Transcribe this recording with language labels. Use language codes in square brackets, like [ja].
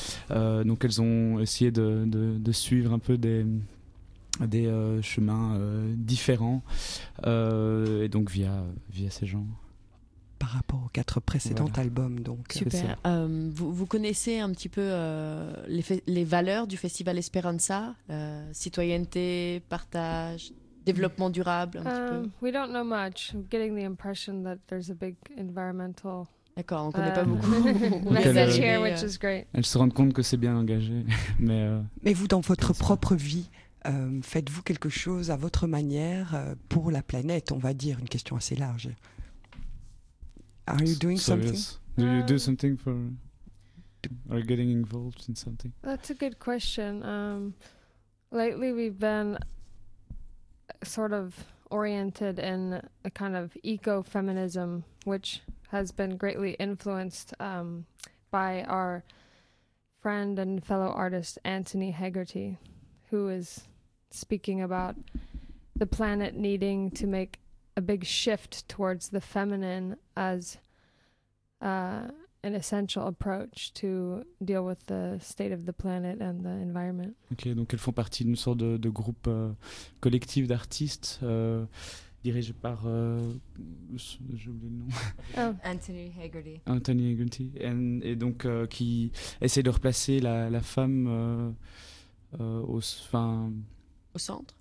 [fr] Donc elles ont essayé de suivre un peu des chemins différents et donc via ces gens. Par rapport aux quatre précédents albums, donc. Super. Vous connaissez un petit peu les valeurs du Festival Esperanza, citoyenneté, partage. Développement durable, un petit peu. [en] We don't know much. I'm getting the impression that there's a big environmental. [fr] D'accord, on connaît pas beaucoup. [en] Message here, which is great. [fr] Elles se rendent compte que c'est bien engagé, mais. Mais vous, dans votre propre vie, faites-vous quelque chose à votre manière pour la planète, on va dire, une question assez large. [en] Are you doing something? Do you do something for? Are you getting involved in something? That's a good question. Lately, we've been sort of oriented in a kind of eco-feminism, which has been greatly influenced by our friend and fellow artist Anthony Hegarty, who is speaking about the planet needing to make a big shift towards the feminine as an essential approach to deal with the state of the planet and the environment. [fr] Ok, donc elles font partie d'une sorte de groupe collectif d'artistes dirigé par j'ai oublié le nom. Oh. Anthony Hegarty. Anthony Hegarty, et donc qui essaie de replacer la femme au centre.